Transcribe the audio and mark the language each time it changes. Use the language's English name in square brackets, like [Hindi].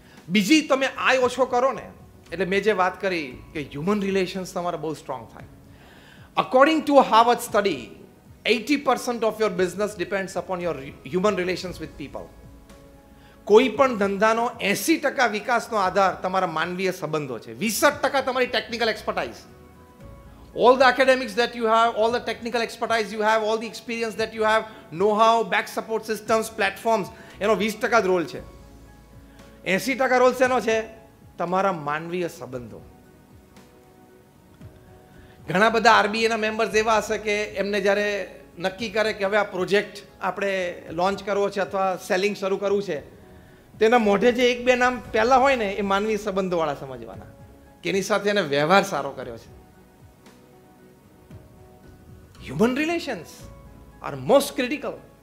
[Gujarati] બીજી તમે આય ઓછો કરો ને, એટલે મેં જે વાત કરી કે હ્યુમન રિલેશન્સ તમારા બહુ સ્ટ્રોંગ થાય. [English] According to a Harvard study, 80% of your business depends upon your human relations with people. [Gujarati] કોઈ પણ ધંધાનો 80% વિકાસનો આધાર તમારા માનવીય સંબંધો છે, 20% તમારી technical expertise. [English] All the academics that you have, all the technical expertise you have, all the experience that you have, know-how, back support systems, platforms, [Gujarati] એનો 20% જ રોલ છે. 80% રોલ શેનો છે? તમારા માનવીય સંબંધો. ઘણા બધા આરબીએના મેમ્બર્સ એવા હશે કે એમને જ્યારે નક્કી કરે કે હવે આ પ્રોજેક્ટ આપણે લોન્ચ કરવો છે અથવા સેલિંગ શરૂ કરવું છે, તેના મોઢે જે એક બે નામ પહેલાં હોય ને એ માનવીય સંબંધોવાળા સમજવાના, કે એની સાથે એને વ્યવહાર સારો કર્યો છે. [English] Human relations are most critical.